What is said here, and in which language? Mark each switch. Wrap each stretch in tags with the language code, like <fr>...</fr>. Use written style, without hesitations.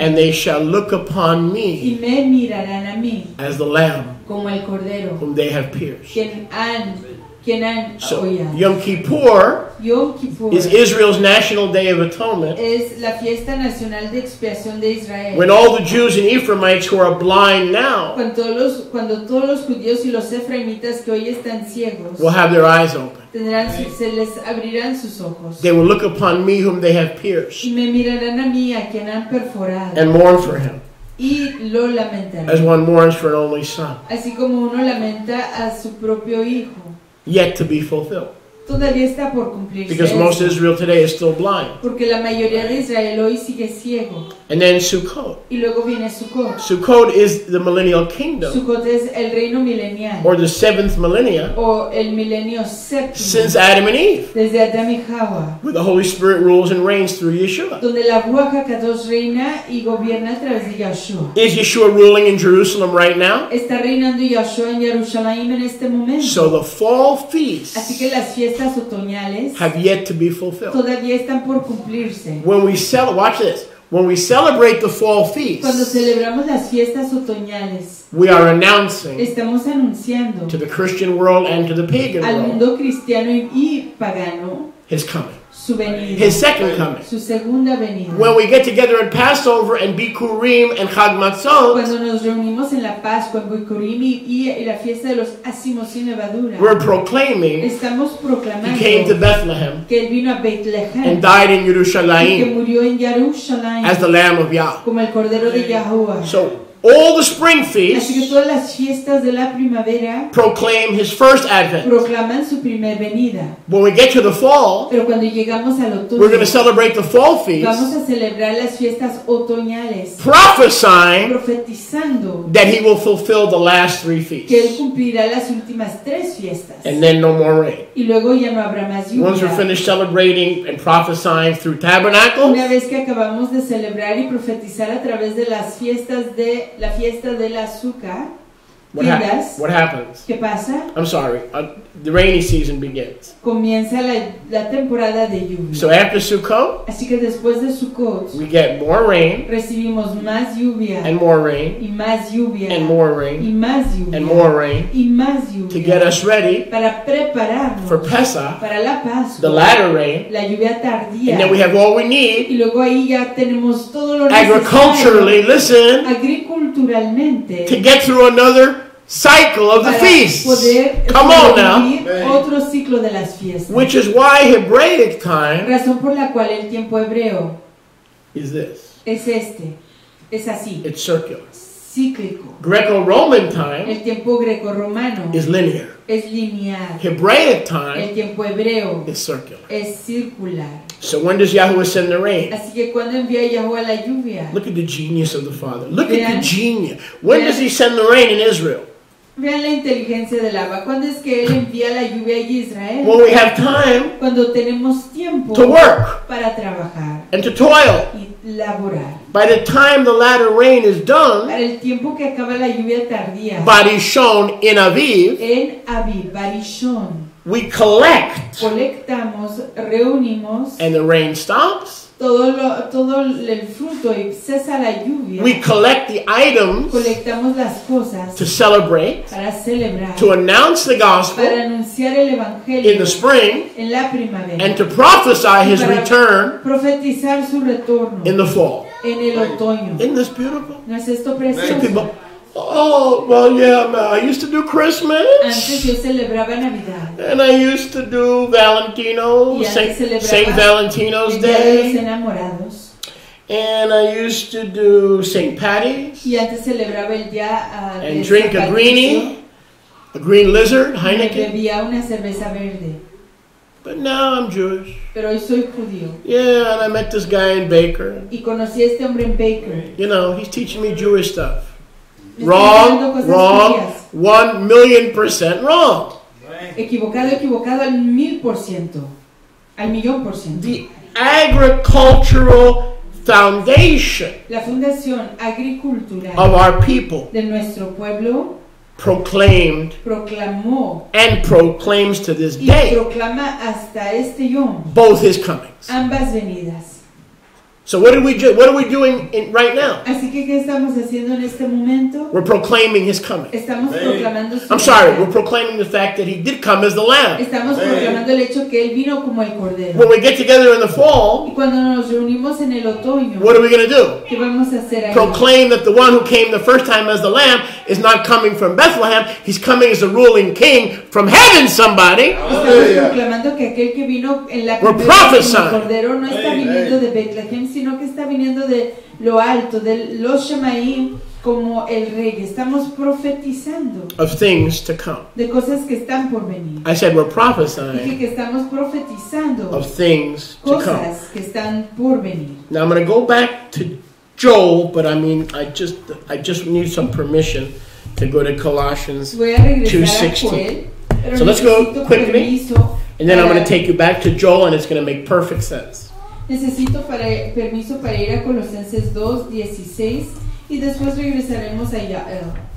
<en>and they shall look upon me,</en> <es>y me mirarán a mí</es> <en>as the lamb</en> <es>como el cordero</es> <en>whom they have pierced.</en> <es>Quien han</es> <en>so, Yom Kippur is Israel's national day of atonement.</en> <es>Es la fiesta nacional de expiación de Israel.</es> <en>When all the Jews and Ephraimites who are blind now</en> <es>cuando todos los judíos y los efraimitas que hoy están ciegos</es> <en>will have their eyes open.</en> <es>Tendrán, se les abrirán sus ojos.</es> <en>They will look upon me whom they have pierced.</en> <es>Y me mirarán a mí a quien han perforado.</es> <en>And mourn for him.</en> <es>Y lo lamentarán.</es> <en>As one mourns for an only son.</en> <es>Así como uno lamenta a su propio hijo.</es> <en>Yet to be fulfilled.</en> <es>Todavía está por cumplirse.</es> <en>Because most Israel today is still blind.</en> <es>Porque la mayoría de Israel hoy sigue ciego.</es> <en>And then Sukkot.</en> <es>Y luego viene Sukkot.</es> <en>Sukkot is the millennial kingdom.</en> <es>Sukkot es el reino milenial.</es> <en>Or the seventh millennia.</en> <es>O el milenio séptimo.</es> <en>Since Adam and Eve.</en> <es>Desde Adam y Hawa.</es> <en>Where the Holy Spirit rules and reigns through Yeshua.</en> <es>Donde la Ruach HaKadosh reina y gobierna a través de Yeshua.</es> <en>Is Yeshua ruling in Jerusalem right now?</en> <es>Está reinando Yeshua en Jerusalén en este momento.</es> <en>So the fall feasts.</en> <es>Así que las fiestas otoñales.</es> <en>Have yet to be fulfilled.</en> <es>Todavía están por cumplirse.</es> <en>When we sell, watch this. When we celebrate the fall feasts,</en> <es>cuando celebramos las fiestas otoñales,</es> <en>we are announcing</en> <es>estamos anunciando</es> <en>to the Christian world and to the pagan</en> <es>al mundo cristiano y pagano</es> <en>his coming.</en> <es>Su venida,</es> <en>his second coming.</en> <es>Su segunda venida.</es> <en>When we get together at Passover and Bikurim and Chag Matzot,</en> <es>cuando nos reunimos en la Pascua, en Bikurim y la fiesta de los Asimos y Nevadura,</es> <en>we're proclaiming</en> <es>estamos proclamando</es> <en>he came to Bethlehem,</en> <es>que él vino a Bethlehem</es> <en>and died in Yerushalayim,</en> <es>y que murió en Yerushalayim</es> <en>as the Lamb of Yah.</en> <es>Como el Cordero de Yahuwah.</es> <en>So, all the spring feasts,</en> <es>así que todas las fiestas de la primavera,</es> <en>proclaim his first advent.</en> <es>Proclaman su primer venida.</es> <en>When we get to the fall,</en> <es>pero cuando llegamos al otoño,</es> <en>we're going to celebrate the fall feasts.</en> <es>Vamos a celebrar las fiestas otoñales.</es> <en>Prophesying,</en> <es>profetizando,</es> <en>that he will fulfill the last three feasts.</en> <es>Que él cumplirá las últimas tres fiestas.</es> <en>And then no more rain.</en> <es>Y luego ya no habrá más lluvia.</es> <en>Once we're finished celebrating and prophesying through tabernacles,</en> <es>una vez que acabamos de celebrar y profetizar a través de las fiestas de la fiesta del azúcar.</es> <en>What happens?</en> <es>¿Qué pasa?</es> <en>I'm sorry. The rainy season begins.</en> <es>Comienza la temporada de lluvia.</es> <en>So after Sukkot,</en> <es>así que después de Sukkot,</es> <en>we get more rain.</en> <es>Recibimos más lluvia.</es> <en>And more rain.</en> <es>Y más lluvia.</es> <en>And more rain.</en> <es>Y más lluvia.</es> <en>And more rain.</en> <es>Y más lluvia.</es> <en>To get us ready</en> <es>para prepararnos</es> <en>for Pesach,</en> <es>para la Pascua.</es> <en>The latter rain.</en> <es>La lluvia tardía.</es> <en>And then we have all we need.</en> <es>Y luego ahí ya tenemos todo lo necesario.</es> <en>Agriculturally, listen.</en> <es>Agriculturalmente.</es> <en>To get through another cycle of the feasts. Come on now.</en> <es>Otro ciclo de las fiestas.</es> <en>Which is why Hebraic time,</en> <es>razón por la cual el tiempo hebreo,</es> <en>is this.</en> <es>Es este. Es así.</es> <en>It's circular.</en> <es>Cíclico.</es> <en>Greco-Roman time,</en> <es>el tiempo greco-romano,</es> <en>is linear.</en> <es>Es lineal.</es> <en>Hebraic time,</en> <es>el tiempo hebreo,</es> <en>is circular.</en> <es>Es circular.</es> <en>So when does Yahuwah send the rain?</en> <es>Así que cuando envía Yahuwah la lluvia.</es> <en>Look at the genius of the Father. Look at the genius. When does he send the rain in Israel?</en> <es>Vean la inteligencia del agua. ¿Cuándo es que él envía la lluvia a Israel?</es> <en>When we have time.</en> <es>Cuando tenemos tiempo.</es> <en>To work.</en> <es>Para trabajar.</es> <en>And to toil.</en> <es>Y laborar.</es> <en>By the time the latter rain is done.</en> <es>Para el tiempo que acaba la lluvia tardía.</es> <en>Barishon in Aviv.</en> <es>En Aviv, Barishon.</es> <en>We collect.</en> <es>Colectamos, reunimos.</es> <en>And the rain stops.</en> <es>Todo el fruto y cesa la lluvia.</es> <en>We collect the items.</en> <es>Colectamos las cosas.</es> <en>To celebrate.</en> <es>Para celebrar.</es> <en>To announce the gospel.</en> <es>Para anunciar el evangelio.</es> <en>In the spring.</en> <es>En la primavera.</es> <en>And to prophesy his return.</en> <es>Profetizar su retorno.</es> <en>In the fall.</en> <es>En el otoño.</es> <en>Isn't this beautiful?</en> <es>¿No es esto precioso?</es> <en>Oh, well, yeah, I used to do Christmas.</en> <es>Antes yo celebraba Navidad.</es> <en>And I used to do Valentino, St. Valentino's Day.</en> <es>Los enamorados.</es> <en>And I used to do St. Patty's.</en> <es>Y antes celebraba el día,</es> <en>and drink</en> <es>Patricio,</es> <en>a greenie, a green lizard, Heineken.</en> <es>Y bebía una cerveza verde.</es> <en>But now I'm Jewish.</en> <es>Pero hoy soy judío.</es> <en>Yeah, and I met this guy in Baker.</en> <es>Y conocí a este hombre en Baker.</es> <en>You know, he's teaching me Jewish stuff. Wrong, wrong, 1,000,000% wrong.</en> <es>Equivocado, equivocado al 1,000%. Al 1,000,000%.</es> <en>The agricultural foundation,</en> <es>la fundación agricultural</es> <en>of our people,</en> <es>de nuestro pueblo,</es> <en>proclaimed,</en> <es>proclamó,</es> <en>and proclaims to this</en> <es>y</es> <en>day,</en> <es>proclama hasta este yom,</es> <en>both his comings.</en> <es>Ambas venidas.</es> <en>So what are we doing in, right now?</en> <es>Así que, ¿qué estamos haciendo en este momento?</es> <en>We're proclaiming his coming.</en> <es>Estamos proclamando su</es> <en>I'm sorry, vida. We're proclaiming the fact that he did come as the Lamb.</en> <es>Estamos proclamando el hecho que él vino como el Cordero.</es> <en>When we get together in the fall,</en> <es>y cuando nos reunimos en el otoño,</es> <en>what are we going to do?</en> <es>¿Qué vamos a hacer ahí?</es> <en>Proclaim that the one who came the first time as the Lamb is not coming from Bethlehem, he's coming as a ruling king from heaven, somebody.</en> <es>Estamos proclamando que aquel que vino en la</es> <en>we're prophesying.</en> <es>Como el Cordero no está viniendo de Bethlehem, sino que está viniendo de lo alto, de los Shemaim, como el rey. Estamos profetizando</es> <en>of things to come.</en> <es>De cosas que están por venir.</es> <en>I said we're prophesying.</en> <es>Dije que estamos profetizando</es> <en>of things</en> <es>cosas</es> <en>to come.</en> <es>Que están por venir.</es> <en>Now I'm going to go back to Joel, but I mean, I just need some permission to go to Colossians 2:16. So let's go quickly, and then I'm going to take you back to Joel, and it's going to make perfect sense.</en> <es>Necesito para, permiso para ir a Colosenses 2:16, y después regresaremos a Joel.</es>